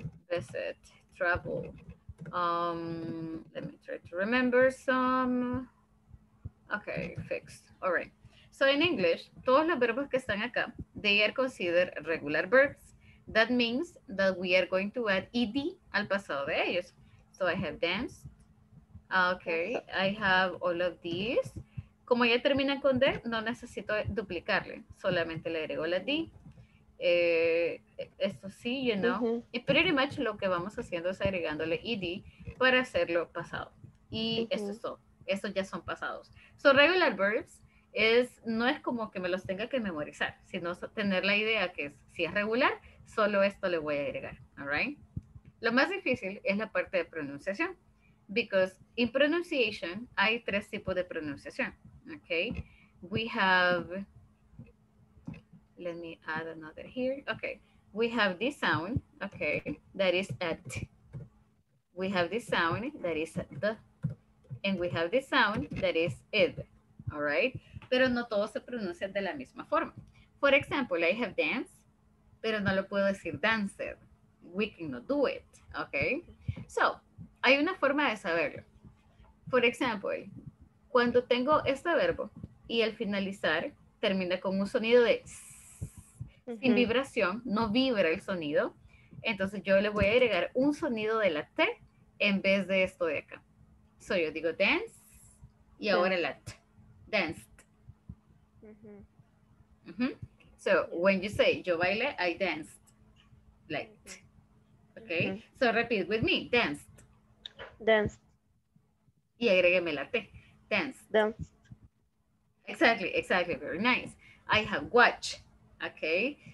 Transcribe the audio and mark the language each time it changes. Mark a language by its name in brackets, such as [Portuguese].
[English] Visit, travel. Let me try to remember some. Okay, fixed. All right. So in English, [Spanish] todos los verbos que están acá, [English] they are considered regular verbs. That means that we are going to add ed [Spanish] al pasado de ellos. [English] So I have dance. Okay, I have all of these. [Spanish] Como ya termina con D, no necesito duplicarle. Solamente le agrego la D. Esto sí, [English] you know. [Spanish] Uh-huh. Y [English] pretty much [Spanish] lo que vamos haciendo es agregándole ed para hacerlo pasado. Y uh-huh. Eso es todo. Estos ya son pasados. So regular verbs es, no es como que me los tenga que memorizar, sino tener la idea que es, si es regular, solo esto le voy a agregar. All right? Lo más difícil es la parte de pronunciación. [English] Because in pronunciation, [Spanish] hay tres tipos de pronunciación, okay? [English] We have, let me add another here, okay. We have this sound, okay, that is a t. We have this sound, that is a d. And we have this sound, that is id, all right? [Spanish] Pero no todos se pronuncian de la misma forma. [English] For example, I have dance, [Spanish] pero no lo puedo decir [English] danced. We cannot do it, okay? So, [Spanish] hay una forma de saberlo. [English] For example, [Spanish] cuando tengo este verbo y el finalizar termina con un sonido de s, sin vibración, no vibra el sonido, entonces yo le voy a agregar un sonido de la T en vez de esto de acá. So yo digo dance y ahora la T. [English] Danced. So when you say [Spanish] yo bailé, [English] I danced. Like T. Okay? So repeat with me. Danced. Dance. [Spanish] Y agrégueme la T. Dance. [English] Dance. Exactly, exactly. Very nice. I have watch. Okay.